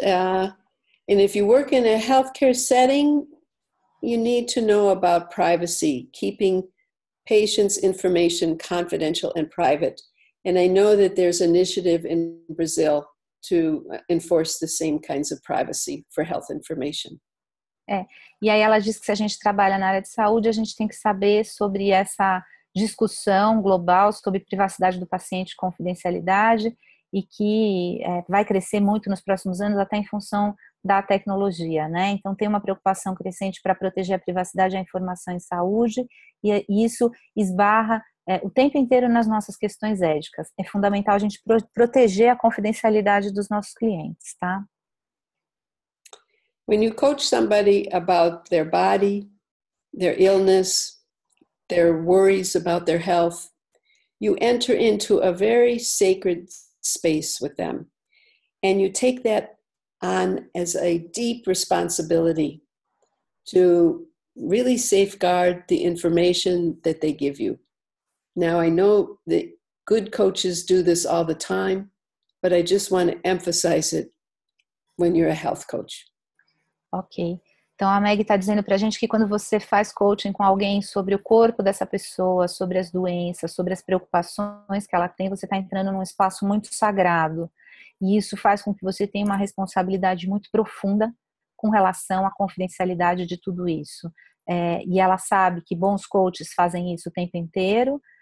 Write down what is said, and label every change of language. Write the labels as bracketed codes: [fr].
[en] And if you work in a healthcare setting, you need to know about privacy, keeping patients' information confidential and private. And I know that there's initiative in Brazil to enforce the same kinds of privacy for health information. [pt] E aí ela diz que se a gente trabalha na área de saúde, a gente tem que saber sobre essa discussão global sobre privacidade do paciente e confidencialidade e que vai crescer muito nos próximos anos até em função da tecnologia, né? Então tem uma preocupação crescente para proteger a privacidade e a informação em saúde e isso esbarra o tempo inteiro nas nossas questões éticas. É fundamental a gente proteger a confidencialidade dos nossos clientes, tá? [en] When you coach somebody about their body, their illness, their worries about their health, you enter into a very sacred space with them. And you take that on as a deep responsibility to really safeguard the information that they give you. Now, I know that good coaches do this all the time, but I just want to emphasize it when you're a health coach. Ok. [pt] Então, a Meg está dizendo para a gente que quando você faz coaching com alguém sobre o corpo dessa pessoa, sobre as doenças, sobre as preocupações que ela tem, você está entrando num espaço muito sagrado. E isso faz com que você tenha uma responsabilidade muito profunda com relação à confidencialidade de tudo isso. E ela sabe que bons coaches fazem isso o tempo inteiro,